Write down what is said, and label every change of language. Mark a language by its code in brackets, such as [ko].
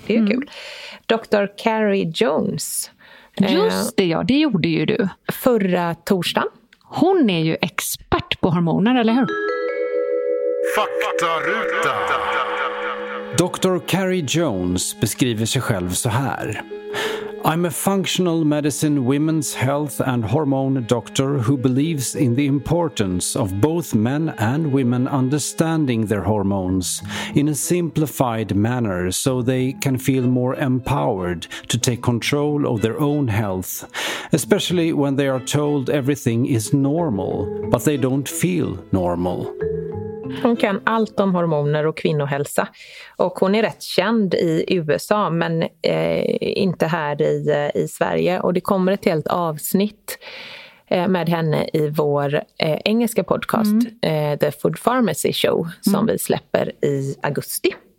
[sv] Det är ju kul. Dr. Carrie Jones. Just det, ja. Det gjorde ju du. Förra torsdagen. Hon är ju expert på hormoner, eller hur? Faktaruta. Dr. Carrie Jones beskriver sig själv så här. [en] I'm a functional medicine women's health and hormone doctor who believes in the importance of both men and women understanding their hormones in a simplified manner so they can feel more empowered to take control of their own health, especially when they are told everything is normal, but they don't feel normal. [sv] Hon kan allt om hormoner och kvinnohälsa och hon är rätt känd i USA men inte här i Sverige. Och det kommer ett helt avsnitt med henne i vår engelska podcast The Food Pharmacy Show som vi släpper i augusti.